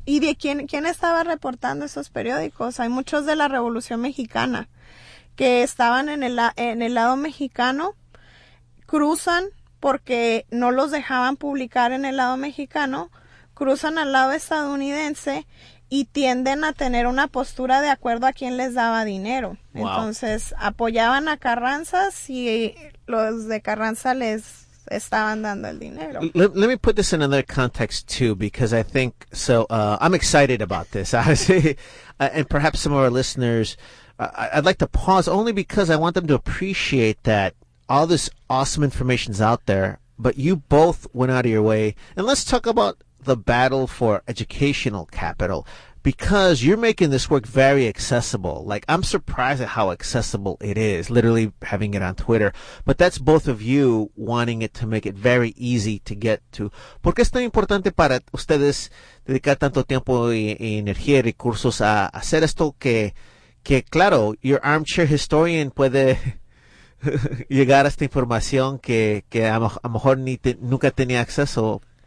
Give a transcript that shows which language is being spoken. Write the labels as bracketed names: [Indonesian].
[Spanish] Y de quién estaba reportando esos periódicos. Hay muchos de la Revolución Mexicana que estaban en el lado mexicano, cruzan porque no los dejaban publicar en el lado mexicano, cruzan al lado estadounidense y tienden a tener una postura de acuerdo a quién les daba dinero. [English] Wow. [Spanish] Entonces, apoyaban a Carranza si los de Carranza les estaban dando el dinero. [English] Let me put this in another context, too, because I think, so I'm excited about this, obviously, and perhaps some of our listeners, I'd like to pause only because I want them to appreciate that all this awesome information's out there, but you both went out of your way. And let's talk about the battle for educational capital, because you're making this work very accessible. Like, I'm surprised at how accessible it is, literally having it on Twitter. But that's both of you wanting it to make it very easy to get to. [Spanish] ¿Por qué es tan importante para ustedes dedicar tanto tiempo y energía y recursos a hacer esto que claro, [English] your armchair historian [Spanish] puede llegar a esta información que a lo mejor nunca tenía acceso?